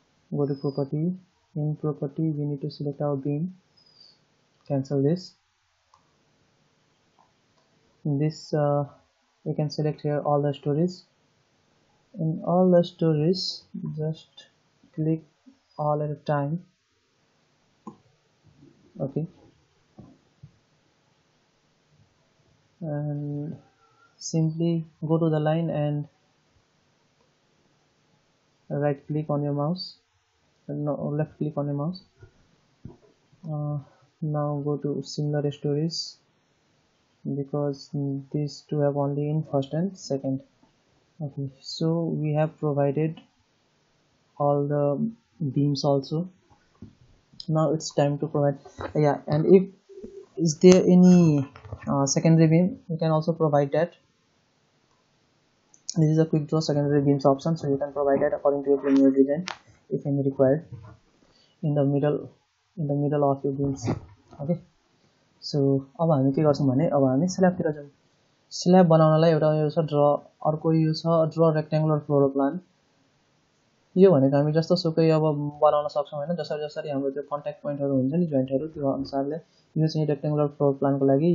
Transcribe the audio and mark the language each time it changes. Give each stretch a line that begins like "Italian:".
English: Go to property. In property we need to select our beam. Cancel this. This you can select here all the stories. In all the stories, just click all at a time. Okay and simply go to the line and right click on your mouse left click on your mouse now go to similar storeys because these two have only in first and second. Okay, so we have provided all the beams also. Now it's time to provide, yeah, and if is there any secondary beam, you can also provide that. This is a quick draw secondary beams option, so you can provide that according to your premier design if any required in the middle of your beams.
Nepali: Okay, so अब हामी के गर्छौँ भने अब हामी स्ल्याबतिर जाउँ. Slab बनाउनलाई एउटा यो छ ड्र, अर्को यो छ ड्र रेक्ट्याङ्गुलर फ्लोर प्लान. यो भनेको हामी जस्तो सुकै अब बनाउन सक्छौँ होइन, जसरी जसरी हाम्रो त्यो कन्ट्याक्ट पोइन्टहरू हुन्छ नि जोइन्टहरू, त्यो अनुसारले यो चाहिँ रेक्ट्याङ्गुलर फ्लोर प्लानको लागि.